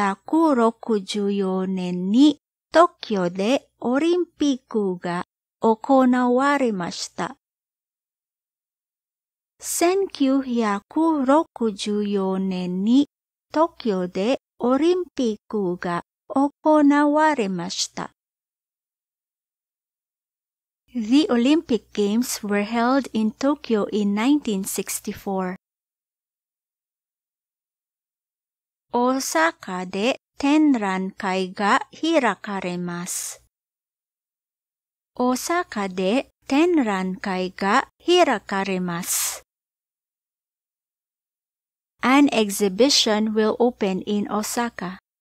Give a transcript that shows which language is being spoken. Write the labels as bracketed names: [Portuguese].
[Japanese] 1964年に東京でオリンピックが行われました。 1964年に東京でオリンピックが行われました。 [English] The Olympic Games were held in Tokyo in 1964. [Japanese] 大阪で展覧会が開かれます。大阪で展覧会が開かれます。 [English] An exhibition will open in Osaka.